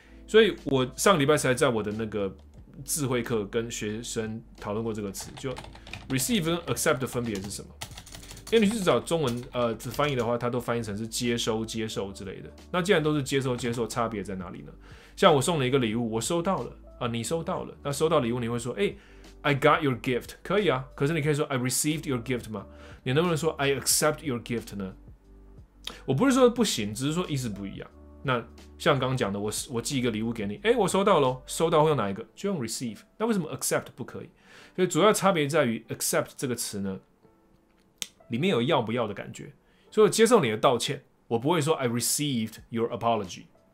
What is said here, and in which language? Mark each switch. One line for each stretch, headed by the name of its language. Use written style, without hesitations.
Chinese: 所以我上礼拜才在我的那个智慧课跟学生讨论过这个词，就 receive 跟 accept 的分别是什么？因为你去找中文只翻译的话，它都翻译成是接收之类的。那既然都是接收，差别在哪里呢？像我送了一个礼物，我收到了你收到了。那收到礼物你会说，哎、欸、，
English: I got your gift，
Chinese: 可以啊。可是你可以说
English: I received your gift
Chinese: 吗？ 你能不能说
English: I accept your gift
Chinese: 呢？我不是说不行，只是说意思不一样。那像刚讲的，我寄一个礼物给你，哎，我收到了，收到会用哪一个？就用 receive。那为什么 accept 不可以？所以主要差别在于 accept 这个词呢，里面有要不要的感觉。所以我接受你的道歉，我不会说
English: I received your apology。